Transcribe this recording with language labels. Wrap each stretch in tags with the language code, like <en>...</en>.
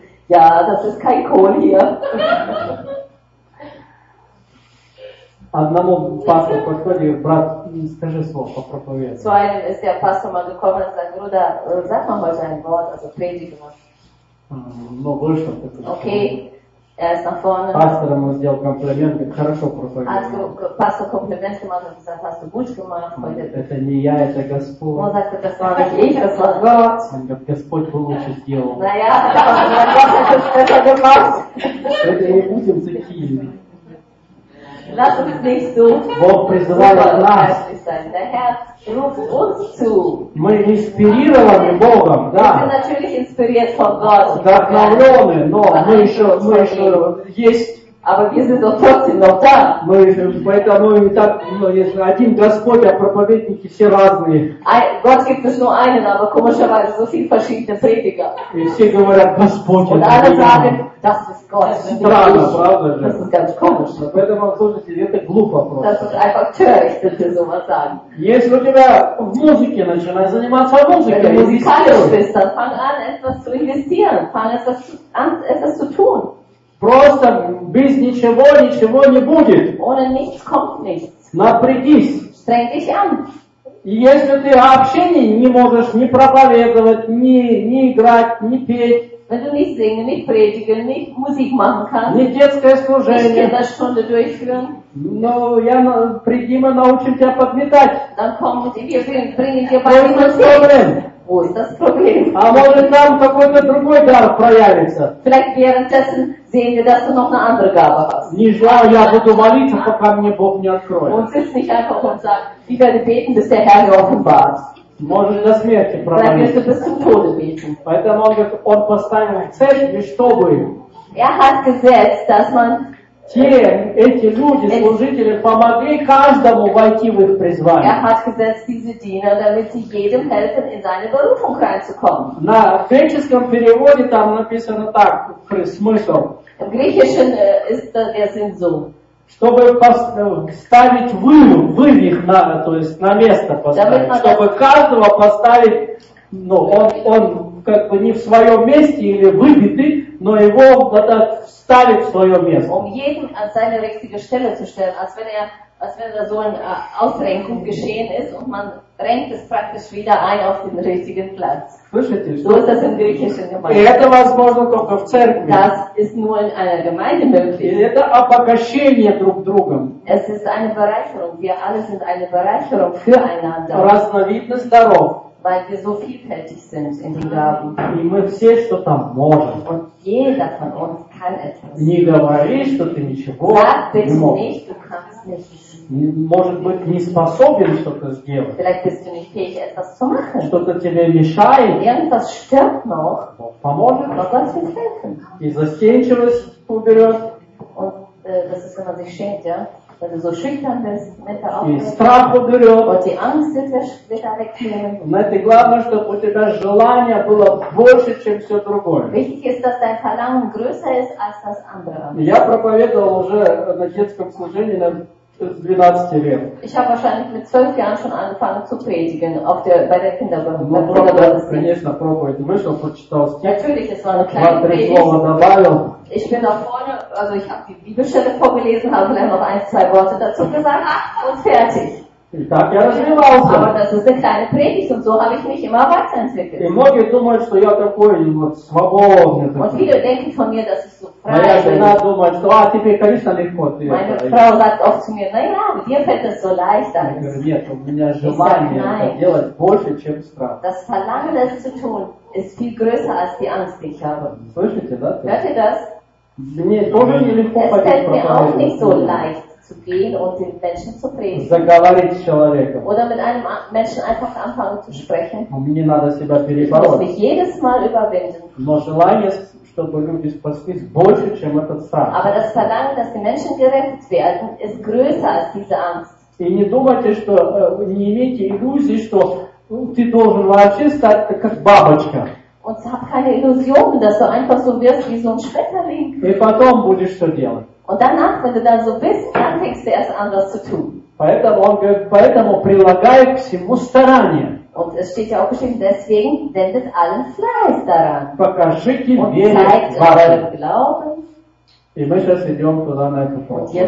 <de>Ja, das ist kein Kohl hier.</de> <ru>Одному пастору подходит, брат, скажи слово по проповеди.</ru> <de>So ein ist der Pastor mal gekommen und sagt, Bruder, sag mal mal sein Wort, also predige mal.</de> <ru>Но вышел такой.</ru> <de>Okay, er ist nach vorne.</de> <ru>Пастор ему сделал комплименты, хорошо проповедовал.</ru> <de>Also, Pastor</de> <ru>комплименты ему сделал,</ru> <de>sagt, hast du gut gemacht heute.</de> <ru>Это не я, это Господь. Он</ru> <de>sagt, das war nicht ich, das war Gott.</de> <ru>Он говорит, Господь бы лучше сделал.</ru> <de>Naja,</de> <ru>это не будем такие.</ru> <de>Lass uns nicht so. Der Herr ruft uns zu. Wir sind natürlich inspiriert von Gott.</de> <ru>Вдохновлены, но мы еще, есть.</ru> <de>Aber wir sind doch trotzdem noch da.</de> <ru>Мы поэтому и так, ну, если один Господь, а проповедники все разные.</ru> <de>Gott gibt es nur einen, aber komischerweise so viele verschiedene Prediger.</de> <ru>И все говорят, Господь.</ru> <de>Und alle sagen, das ist Gott.</de> <ru>Странно, правда же.</ru> <de>Das ist ganz komisch.</de> <ru>Но поэтому, слушайте, это глупо просто.</ru> <de>Das ist einfach töricht, wenn wir sowas sagen.</de> <ru>Если у тебя в музыке начинаешь заниматься музыкой,</ru> <de>wenn du musikalisch bist, dann fang an, etwas zu investieren. Fang an, etwas zu tun.</de> <ru>Просто без ничего, ничего не будет.</ru> <de>Ohne nichts kommt nichts.</de> <ru>Напрягись.</ru> <de>Streng dich an.</de> <ru>И если ты вообще не можешь ни проповедовать, ни играть, ни петь.</ru> <de>Wenn du nicht singen, nicht predigen, nicht Musik machen kannst.</de> <ru>Ни детское служение.</ru> <de>Nicht Kinderstunde durchführen.</de> <ru>Ну, я приди, мы научим тебя подметать.</ru> <de>Dann komm mit dir, wir bringen dir bei dir. Ой, das Problem.</de> <ru>А может там какой-то другой дар проявится?</ru> <de>Vielleicht währenddessen sehen wir, dass du noch eine andere Gabe hast.</de> <ru>Не знаю, я буду молиться, пока мне Бог не откроет. Он сидит не</ru> <de>einfach und sagt, ich werde beten, bis der Herr mir offenbart.</de> <ru>Может до смерти проявиться. Поэтому он говорит, он поставил цель, и чтобы.</ru> <de>Er hat gesetzt, dass man</de> <ru>эти люди, служители, помогли каждому войти в их призвание.</ru> <de>Er hat gesetzt diese Diener, damit sie jedem helfen, in seine Berufung reinzukommen.</de> <ru>На греческом переводе там написано так, смысл. В греческом</ru> <de>ist der Sinn so.</de> <ru>Чтобы поставить вывих, надо, то есть на место поставить. Чтобы каждого поставить, ну, он как бы не в своем месте или выбитый, но его вот вставить в свое место.</ru> <de>Um jeden an seine richtige Stelle zu stellen, als wenn da so eine Ausrenkung geschehen ist und man renkt es praktisch wieder ein auf den richtigen Platz.</de> <ru>Слышите,</ru> <de>so ist das im Griechischen gemeint.</de> <ru>Это возможно только в церкви.</ru> <de>Das ist nur in einer Gemeinde möglich.</de> <ru>И это обогащение друг другом.</ru> <de>Es ist eine Bereicherung. Wir alle sind eine Bereicherung füreinander.</de> <ru>Разновидность даров.</ru> <de>Weil wir so vielfältig sind in den Gaben.</de> <ru>И мы все что-то можем.</ru> <de>Und jeder von uns kann etwas.</de> <ru>Не говори, что ты ничего не можешь.</ru> <de>Du kannst nicht.</de> <ru>Может быть, не способен что-то сделать.</ru> <de>Vielleicht bist du nicht fähig, etwas zu machen.</de> <ru>Что-то тебе мешает.</ru> <de>Irgendwas stört noch.</de> <ru>Поможет.</ru> <de>Aber kannst nicht helfen.</de> <ru>И застенчивость уберет.</ru> <de>Und das ist, wenn man sich schämt, ja? Wenn du so schüchtern bist, mit der Aufmerksamkeit.</de> <ru>И страх уберет.</ru> <de>Und die Angst wird wieder wegnehmen.</de> <ru>Но это главное, чтобы у тебя желание было больше, чем все другое.</ru> <de>Wichtig ist, dass dein Verlangen größer ist als das andere.</de> <ru>Я проповедовал уже на детском служении на 12 лет.</ru> <de>Ich habe wahrscheinlich mit 12 Jahren schon angefangen zu predigen auf der, bei der Kinderbibel. Natürlich, es war eine kleine Predigt. Ich bin da vorne, also ich habe die Bibelstelle vorgelesen, habe vielleicht noch ein, zwei Worte dazu gesagt und fertig. Aber das ist eine kleine Predigt und so habe ich mich immer weiterentwickelt. Und viele denken von mir, dass ich so frei bin. Meine Frau sagt oft zu mir, naja, dir fällt das so leicht als. Ich sage, nein. Das Verlangen, das zu tun, ist viel größer als die Angst, die ich habe. Hört ihr das? Es fällt mir auch nicht so leicht. Zu gehen und den Menschen zu predigen.</de> <ru>Заговорить с человеком.</ru> <de>Oder mit einem Menschen einfach anfangen zu sprechen.</de> <ru>Мне надо себя перебороть.</ru> <de>Ich muss mich jedes Mal überwinden.</de> <ru>Но желание, чтобы люди спаслись, больше, чем этот страх.</ru> <de>Aber das Verlangen, dass die Menschen gerettet werden, ist größer als diese Angst.</de> <ru>И не думайте, что не имейте иллюзии, что ты должен вообще стать как бабочка.</ru> <de>Und hab keine Illusion, dass du einfach so wirst wie so ein Schmetterling.</de> <ru>И потом будешь что делать?</ru> <de>Und danach, wenn du dann so bist, dann fängst du erst an, was zu tun.</de> <ru>Поэтому он говорит, поэтому прилагай к всему старание.</ru> <de>Und es steht ja auch geschrieben, deswegen wendet allen Fleiß daran.</de> <ru>Покажите</ru> <de>und zeigt euren Glauben.</de> <ru>И мы сейчас идем туда, на эту проповедь.</ru>